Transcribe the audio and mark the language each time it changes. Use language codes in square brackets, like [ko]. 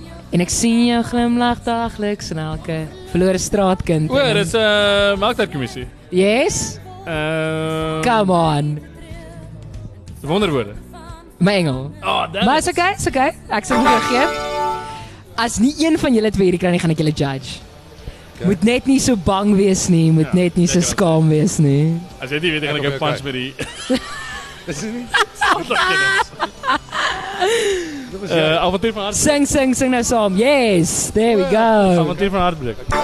[af] En ek sien jou glimlag dagliks in elke verlore straatkind. O, dit is Melktuinkommissie. [en] Yes? Come on. [af] Wonderwoorde. My engel. Oh, Maar is okay, is okay. Ek sal nie reageer. As nie een van julle twee hierdie kan nie, gaan ek julle judge. [en] Okay. [af] Moet net nie so bang wees nie, moet ja, net nie so skaam wees nie. As jy nie weet, gaan ek een punch met die... Avontuur van Hartbreek. Sing nou saam. [en] Yes, there we go. [af] Avontuur van Hartbreek.